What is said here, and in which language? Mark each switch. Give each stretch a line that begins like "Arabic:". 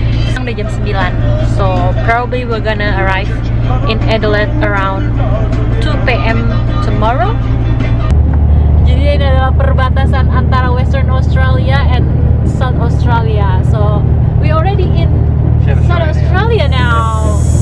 Indonesian: Sekarang udah jam 9,
English: so probably we're gonna arrive in Adelaide around 2 PM tomorrow.
Indonesian: Jadi ini adalah perbatasan antara Western Australia and South Australia.
English: So, we already in South Australia now.